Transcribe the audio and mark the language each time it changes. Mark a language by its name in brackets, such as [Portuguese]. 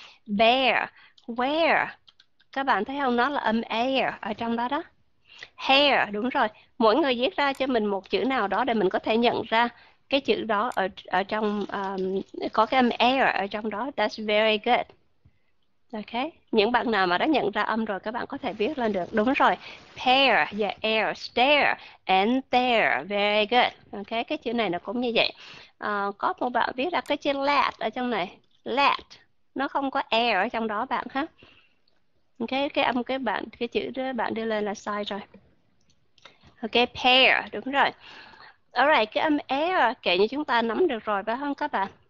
[Vietnamese] Bear, where. Các bạn thấy không? Nó là âm air ở trong đó đó. Hair, đúng rồi. Mỗi người viết ra cho mình một chữ nào đó để mình có thể nhận ra cái chữ đó ở ở trong có cái âm air ở trong đó. [English] That's very good. [Vietnamese] Ok, những bạn nào mà đã nhận ra âm rồi các bạn có thể viết lên được. Đúng rồi. [English] Pair, yeah, air, stair and there. Very good. [Vietnamese] Ok, cái chữ này nó cũng như vậy. Có một bạn viết ra cái chữ let ở trong này. Let. Nó không có air ở trong đó bạn ha. Ok, cái âm cái bạn cái chữ đó bạn đưa lên là sai rồi. Ok, pair, đúng rồi. Alright, cái âm air kể như chúng ta nắm được rồi phải không các bạn?